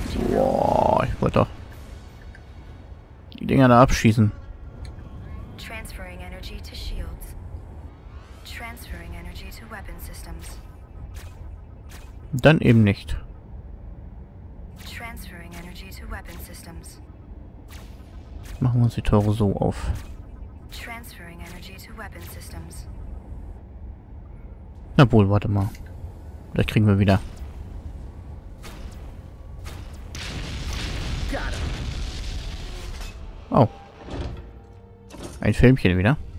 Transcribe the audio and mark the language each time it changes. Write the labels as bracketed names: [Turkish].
[German] Boah, ich wollte doch die Dinger da abschießen. [English] Transferring energy to shields. Transferring energy to weapon systems. [German] Dann eben nicht. [English] Transferring energy to weapon systems. [German] Machen wir uns die Tore so auf. [English] Transferring energy to weapon systems. [German] Na wohl, warte mal. Vielleicht kriegen wir wieder. Oh. Ein Filmchen wieder.